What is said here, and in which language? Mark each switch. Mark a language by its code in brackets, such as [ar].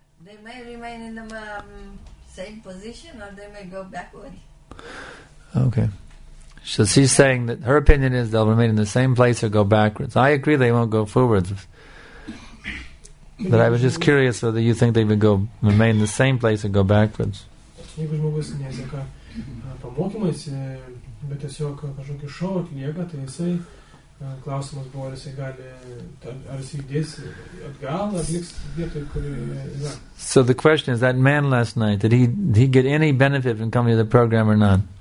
[en] They may remain in the same position or they may go backward. Okay. So she's saying that her opinion is they'll remain in the same place or go backwards. I agree they won't go forwards. But I was just curious whether you think they would go remain in the same place or go backwards. [lt] Jeigu žmogus neseka pamokymais, bet tiesiog kažkokį šou atlieka, tai jisai, klausimas buvo, ar jisai gali, ar jisai dės atgal, ar liks vietoj, kuri yra. [en] So the question is, that man last night, did he get any benefit from coming to the program or not?